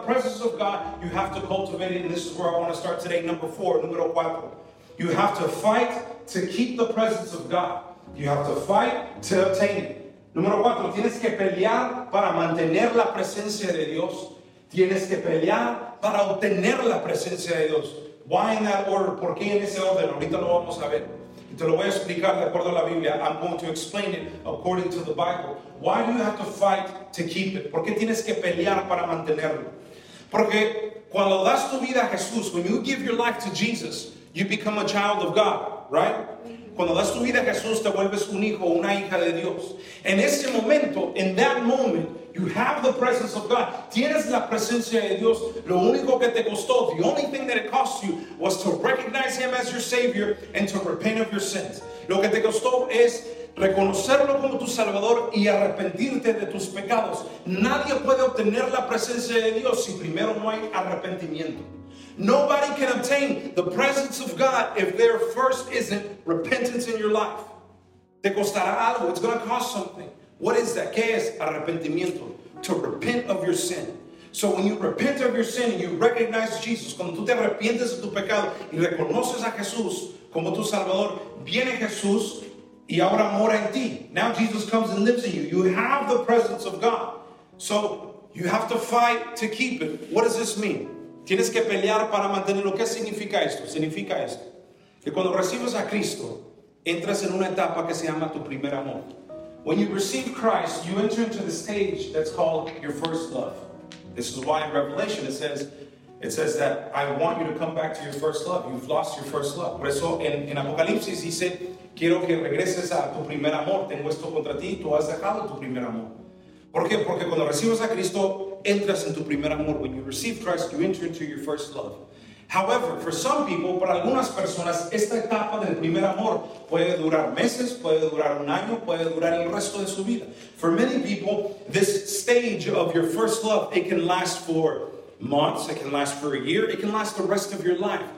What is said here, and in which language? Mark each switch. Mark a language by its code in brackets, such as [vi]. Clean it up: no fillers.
[en] The presence of God, you have to cultivate it. And this is where I want to start today. Number four, [es] número cuatro. [en] You have to fight to keep the presence of God. You have to fight to obtain it. [es] Número cuatro, tienes que pelear para mantener la presencia de Dios. Tienes que pelear para obtener la presencia de Dios. [en] Why in that order? [es] ¿Por qué en ese orden? Ahorita lo vamos a ver. Y te lo voy a explicar de acuerdo a la Biblia. [en] I'm going to explain it according to the Bible. Why do you have to fight to keep it? [es] ¿Por qué tienes que pelear para mantenerlo? Porque cuando das tu vida a Jesús, [en] when you give your life to Jesus, you become a child of God, right? [es] Cuando das tu vida a Jesús, te vuelves un hijo o una hija de Dios. En ese momento, [en] in that moment, you have the presence of God. [es] Tienes la presencia de Dios. Lo único que te costó, [en] the only thing that it cost you, was to recognize Him as your Savior and to repent of your sins. [es] Lo que te costó es reconocerlo como tu Salvador y arrepentirte de tus pecados. Nadie puede obtener la presencia de Dios si primero no hay arrepentimiento. [en] Nobody can obtain the presence of God if there first isn't repentance in your life. [es] Te costará algo. [en] It's going to cost something. What is that? [es] ¿Qué es? Arrepentimiento. [en] To repent of your sin. So when you repent of your sin and you recognize Jesus, [es] cuando tú te arrepientes de tu pecado y reconoces a Jesús como tu Salvador, viene Jesús y ahora mora en ti. [en] Now Jesus comes and lives in you. You have the presence of God. So you have to fight to keep it. What does this mean? [es] Tienes que pelear para mantenerlo. ¿Qué significa esto? Significa esto. Que cuando recibes a Cristo, entras en una etapa que se llama tu primer amor. [en] When you receive Christ, you enter into the stage that's called your first love. This is why in Revelation it says that I want you to come back to your first love. You've lost your first love. [es] Por eso en Apocalipsis dice, quiero que regreses a tu primer amor. Tengo esto contra ti. Tú has dejado tu primer amor. ¿Por qué? Porque cuando recibes a Cristo, entras en tu primer amor. [en] When you receive Christ, you enter into your first love. However, for some people, [es] para algunas personas, esta etapa del primer amor puede durar meses, puede durar un año, puede durar el resto de su vida. [en] For many people, this stage of your first love, it can last for months, it can last for a year, it can last the rest of your life.